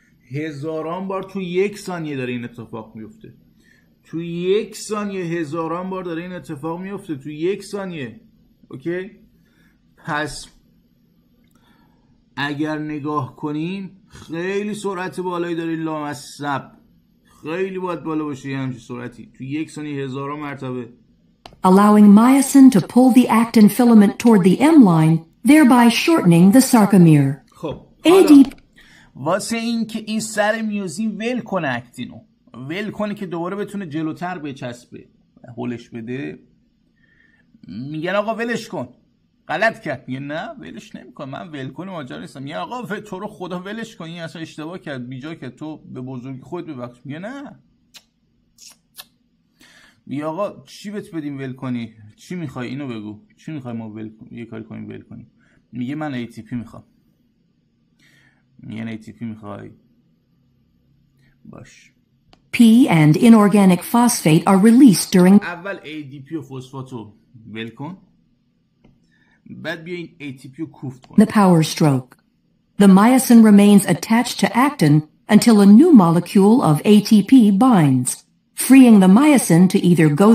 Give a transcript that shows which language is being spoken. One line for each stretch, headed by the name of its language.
Persian: هزاران بار توی یک ثانیه داره این اتفاق میفته، توی یک ثانیه هزاران بار داره این اتفاق میفته توی یک ثانیه. اوکی؟ پس اگر نگاه کنیم خیلی سرعت بالایی داره لامصب، خیلی باید بالا باشه یه همچه سرعتی توی یک ثانیه هزاران مرتبه.
English: Allowing myosin to pull the actin filament toward the M line, thereby shortening the sarcomere.
Persian: خب واسه این که این سر میوزین ول کنه اکتینو، ول کنه که دوباره بتونه جلوتر بچسبه هولش بده، میگن آقا ولش کن غلط کرد. میگه نه ولش نمیکن، من ول کن ماجرا نیستم. میگه آقا تو رو خدا ولش کن، این اصلا اشتباه کرد بیجا که تو به بزرگی خود ببخش. میگه نه، میگه آقا چی بهت بدیم ول کنی، چی میخوای اینو بگو، چی میخوای ما ول کنیم، یه کاری کنیم ول کنیم. میگه من ATP میخوام. یعنی ATP میخوای؟ باش.
English: P and inorganic phosphate are released during.
Persian: اول ADP و فسفاتو ول کن، بعد بیا این ATP رو کوفت کن.
English: The power stroke. The myosin remains attached to actin until a new molecule of ATP binds, freeing the myosin to either go